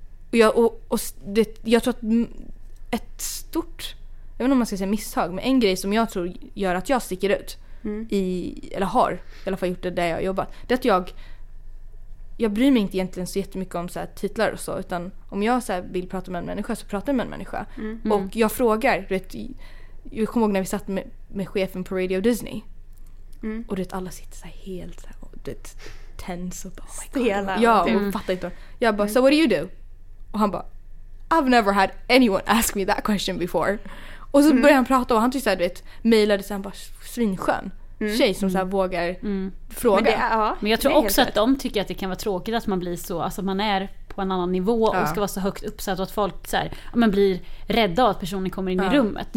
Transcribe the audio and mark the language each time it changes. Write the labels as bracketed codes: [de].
[sv] Och jag, och det, jag tror att ett stort, jag vet inte om man ska säga misstag, men en grej som jag tror gör att jag sticker ut i, eller har i alla fall gjort det där jag har jobbat, det är att jag bryr mig inte egentligen så jättemycket om så här titlar och så, utan om jag så här vill prata med en människa så pratar jag med en människa. Mm. Och jag frågar, du vet, jag kommer ihåg när vi satt med chefen på Radio Disney. Mm. Och du vet, alla sitter så här helt så här, och du vet, tense och bara, [en] oh my god. [sv] Ja, och fattar inte. Jag bara, [en] so what do you do? [sv] Och han bara, [en] I've never had anyone ask me that question before. [sv] Och så börjar han prata och han tyckte så här, du vet, mejlade så här, han bara, svinskön. Mm. Tjej som så här vågar fråga. Men, men jag tror också att de tycker att det kan vara tråkigt att man blir så, alltså man är på en annan nivå och ska vara så högt uppsatt att folk så här, ja, man blir rädda att personen kommer in i rummet.